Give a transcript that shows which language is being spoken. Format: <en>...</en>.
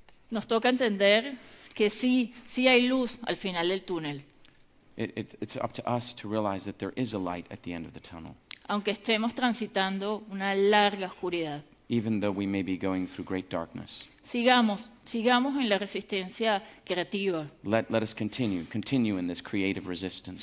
<es>Nos toca entender que sí, sí hay luz al final del túnel.</es> <en>It's up to us to realize that there is a light at the end of the tunnel.</en> <es>Aunque estemos transitando una larga oscuridad.</es> <en>Even though we may be going through great darkness.</en> <es>Sigamos, sigamos en la resistencia creativa.</es> <en>Let us continue in this creative resistance.</en>